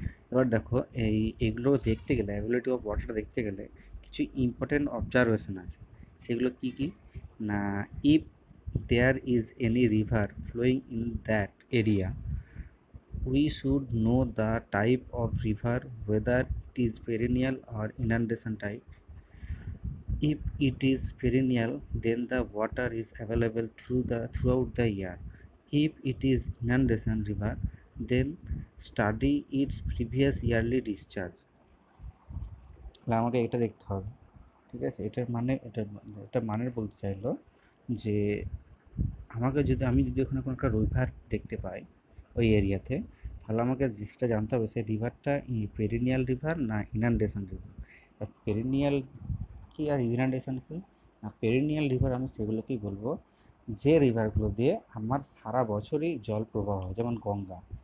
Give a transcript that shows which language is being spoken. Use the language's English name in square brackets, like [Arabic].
[Bangla] এবার দেখো, এই এগুলো দেখতে গেলে, অ্যাভেলেবিলিটি অফ ওয়াটার দেখতে গেলে কিছু ইম্পর্টেন্ট অবজারভেশন আছে, সেগুলো কী কী না, [English] If there is any river flowing in that area we should know the type of river whether it is perennial or inundation type. If it is perennial, then the water is available throughout the year. If it is inundation river, then study its previous yearly discharge. [Bangla] তাহলে আমাকে এটা দেখতে হবে, ঠিক আছে? এটার মানে এটা মানে বলতে চাইলো যে আমাকে যদি আমি যদি ওখানে কোনো একটা রিভার দেখতে পাই ওই এরিয়াতে, তাহলে আমাকে সেটা জানতে হবে সেই রিভারটা পেরিনিয়াল রিভার না ইনান্ডেশন রিভার। পেরিনিয়াল কি আর ইউনান্ডেশন কি না পেরিনিয়াল রিভার আমি সেগুলোকেই বলবো, যে রিভারগুলো দিয়ে আমার সারা বছরই জল প্রবাহ হয়, যেমন গঙ্গা।